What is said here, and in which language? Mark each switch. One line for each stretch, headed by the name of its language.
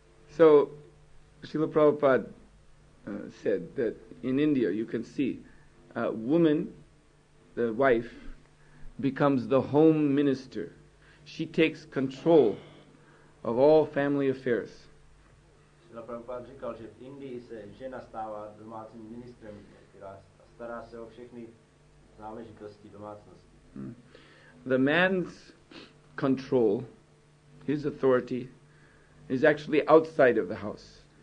English: So, Srila Prabhupada said that in India you can see a woman, the wife, becomes the home minister. She takes control of all family affairs.
Czech: Srila Prabhupada říkal, že v Indii se žena stává domácím ministrem, která stará se o všechny záležitosti domácnosti.
English: The man's control, his authority, is actually outside of the house.